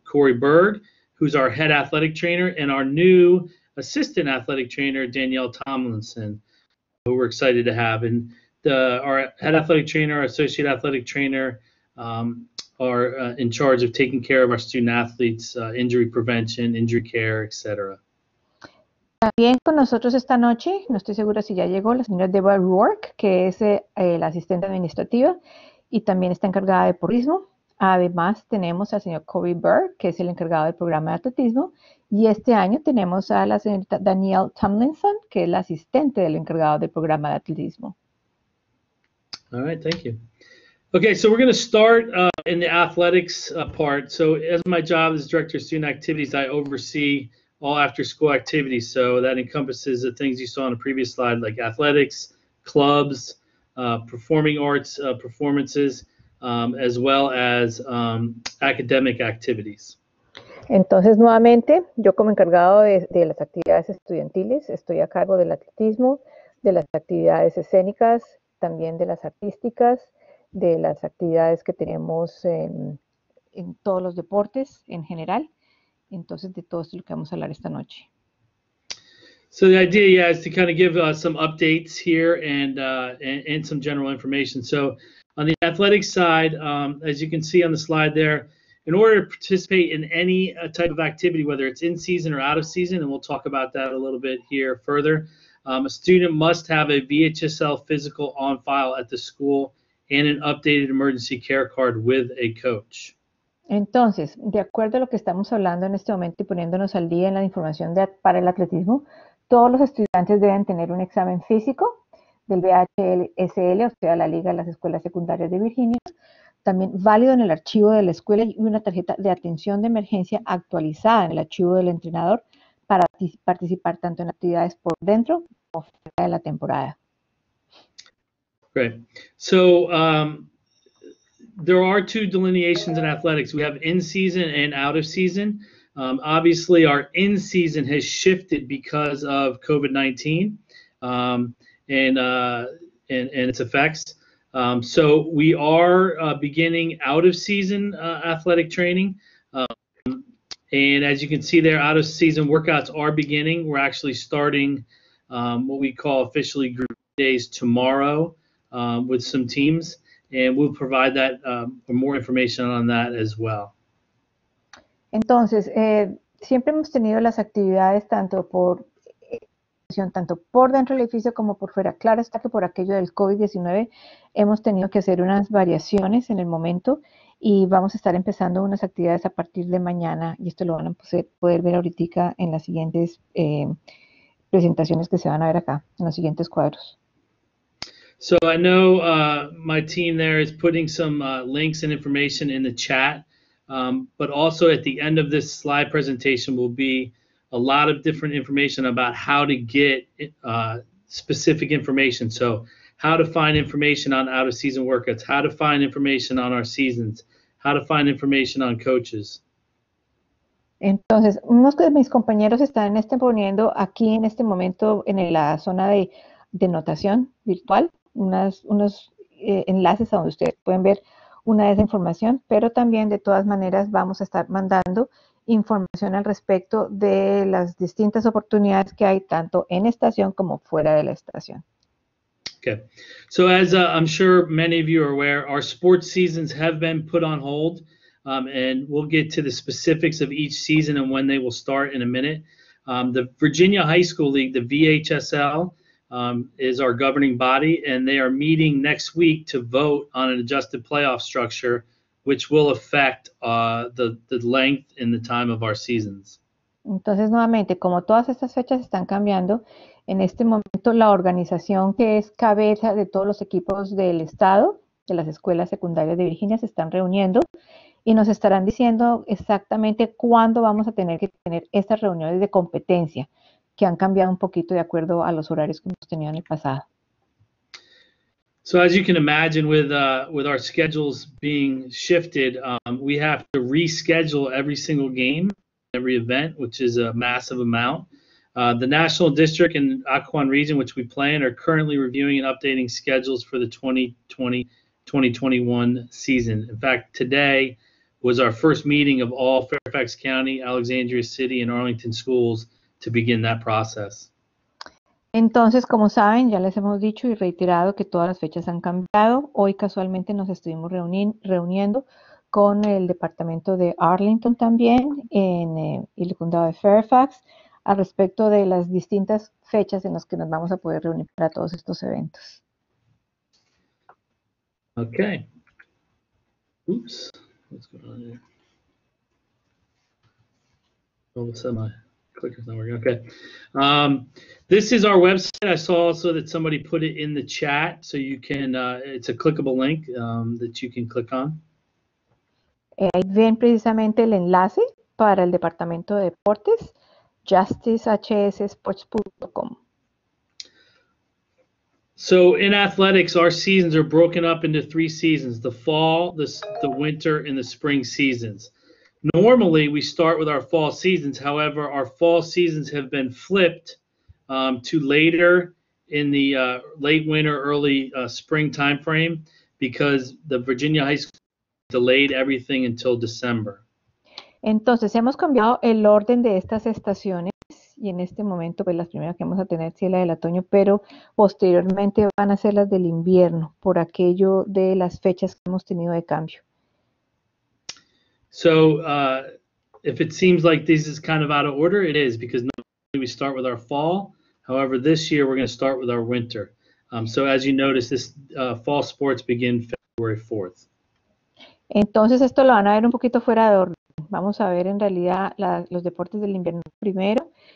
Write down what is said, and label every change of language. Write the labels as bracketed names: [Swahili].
[English] Corey Berg, who's our head athletic trainer, and our new assistant athletic trainer, Danielle Tomlinson, who we're excited to have. And our head athletic trainer, our associate athletic trainer, are in charge of taking care of our student athletes, injury prevention, injury care, et cetera. [Spanish] También con nosotros esta noche, no estoy segura si ya llegó, la señora Deborah Rourke, que es la asistente administrativa y también está encargada de porrismo. Además, tenemos al señor Corey Berg, que es el encargado del programa de atletismo. Y este año tenemos a la señorita Danielle Tomlinson, que es la asistente del encargado del programa de atletismo. [English] All right, thank you. Okay, so we're going to start in the athletics part, so as my job as director of student activities, I oversee all after-school activities. So that encompasses the things you saw on the previous slide, like athletics, clubs, performing arts performances, as well as academic activities. [Spanish] Entonces, nuevamente, yo como encargado de las actividades estudiantiles, estoy a cargo del atletismo, de las actividades escénicas, también de las artísticas, de las actividades que tenemos en todos los deportes en general. Entonces, de todo esto lo que vamos a hablar esta noche. [English] So the idea, yeah, is to kind of give some updates here and some general information. So on the athletic side, as you can see on the slide there, in order to participate in any type of activity, whether it's in season or out of season, and we'll talk about that a little bit here further, a student must have a VHSL physical on file at the school and an updated emergency care card with a coach. [Spanish] Entonces, de acuerdo a lo que estamos hablando en este momento y poniéndonos al día en la información de, para el atletismo, todos los estudiantes deben tener un examen físico del VHSL, o sea, la Liga de las Escuelas Secundarias de Virginia, también válido en el archivo de la escuela y una tarjeta de atención de emergencia actualizada en el archivo del entrenador para participar tanto en actividades por dentro o fuera de la temporada. [English] Great. So there are two delineations in athletics. We have in-season and out-of-season. Obviously, our in-season has shifted because of COVID-19 and its effects. So we are beginning out-of-season athletic training. And as you can see there, out-of-season workouts are beginning. We're actually starting what we call officially group days tomorrow with some teams. And we'll provide that more information on that as well. [Spanish] Entonces, siempre hemos tenido las actividades tanto por dentro del edificio como por fuera. Claro está que por aquello del COVID-19 hemos tenido que hacer unas variaciones en el momento y vamos a estar empezando unas actividades a partir de mañana y esto lo van a poder ver ahorita en las siguientes presentaciones que se van a ver acá, en los siguientes cuadros. [English] So I know my team there is putting some links and information in the chat. But also at the end of this slide presentation will be a lot of different information about how to get specific information. So how to find information on out-of-season workouts, how to find information on our seasons, how to find information on coaches. [Spanish] Entonces, unos de mis compañeros están en este poniendo aquí en este momento en la zona de notación virtual unos enlaces a donde ustedes pueden ver una de esa información, pero también de todas maneras vamos a estar mandando información al respecto de las distintas oportunidades que hay tanto en estación como fuera de la estación. [English] Okay. So as I'm sure many of you are aware, our sports seasons have been put on hold, and we'll get to the specifics of each season and when they will start in a minute. The Virginia High School League, the VHSL, is our governing body, and they are meeting next week to vote on an adjusted playoff structure, which will affect the length and the time of our seasons. [Spanish] Entonces, nuevamente, como todas estas fechas están cambiando, en este momento la organización que es cabeza de todos los equipos del estado, de las escuelas secundarias de Virginia, se están reuniendo y nos estarán diciendo exactamente cuándo vamos a tener que tener estas reuniones de competencia. Que han cambiado un poquito de acuerdo a los horarios que hemos tenido en el pasado. [English] So as you can imagine, with our schedules being shifted, we have to reschedule every single game, every event, which is a massive amount. The National District and Occoquan Region, which we play in, are currently reviewing and updating schedules for the 2020-2021 season. In fact, today was our first meeting of all Fairfax County, Alexandria City, and Arlington schools to begin that process. [Spanish] Entonces, como saben, ya les hemos dicho y reiterado que todas las fechas han cambiado. Hoy casualmente nos estuvimos reuniendo con el departamento de Arlington también en el condado de Fairfax al respecto de las distintas fechas en las que nos vamos a poder reunir para todos estos eventos. [English] Okay. Oops. What's going on here? All of a sudden clicker's not working. Okay. This is our website. I saw also that somebody put it in the chat, so you can, it's a clickable link that you can click on. [Spanish] Ahí ven precisamente el enlace para el Departamento de Deportes, justicehssports.com. [English] So in athletics, our seasons are broken up into three seasons, the fall, the winter, and the spring seasons. Normally, we start with our fall seasons. However, our fall seasons have been flipped to later in the late winter, early spring timeframe because the Virginia High School delayed everything until December. [Spanish] Entonces, hemos cambiado el orden de estas estaciones. Y en este momento, pues las primeras que vamos a tener sí es la del otoño, pero posteriormente van a ser las del invierno por aquello de las fechas que hemos tenido de cambio. [English] So, if it seems like this is kind of out of order, it is, because normally we start with our fall. However, this year we're going to start with our winter. So, as you notice, this fall sports begin February 4th. [Spanish] Entonces, esto lo van a ver un poquito fuera de orden. Vamos a ver en realidad los deportes del invierno primero.